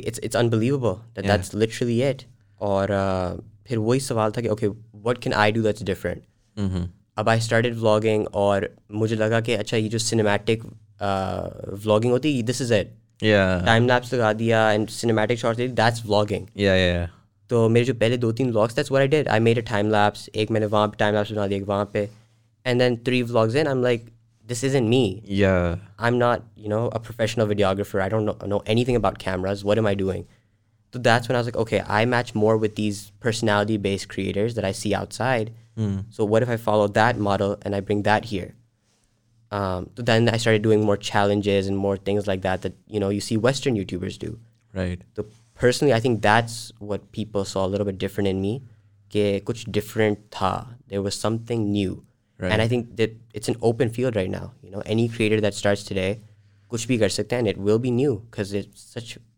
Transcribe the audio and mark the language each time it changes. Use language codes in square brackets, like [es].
[en] It's unbelievable that that's literally it. And then that was the question, okay, what can I do that's different? Now I started vlogging, and I thought, okay, this is cinematic vlogging, this is it. Yeah. Time-lapse and cinematic shots, that's vlogging. Yeah. [ur] تو میرے جو پہلے دو تین vlogs [en] that's what I did, I made a time lapse, [ur] ایک میں نے وہاں پہ [en] Time lapse بنا دیا ایک وہاں پہ, and then 3 vlogs and I am like this is in me, یا I am not you know a professional videographer, I don't know anything about cameras, what am I doing? تو that's when I was like okay I match more with these personality based creators that I see outside, so what if I follow that model and I bring that here? تو then I started doing more challenges and more things like that that you know you see western YouTubers do, right? Personally, I think that's what people saw a little bit different in me, [ur] ke kuch different tha, [en] there was something new, right? And I think that it's an open field right now, you know, any creator that starts today [ur] kuch bhi kar sakta hai [en] and it will be new because it's such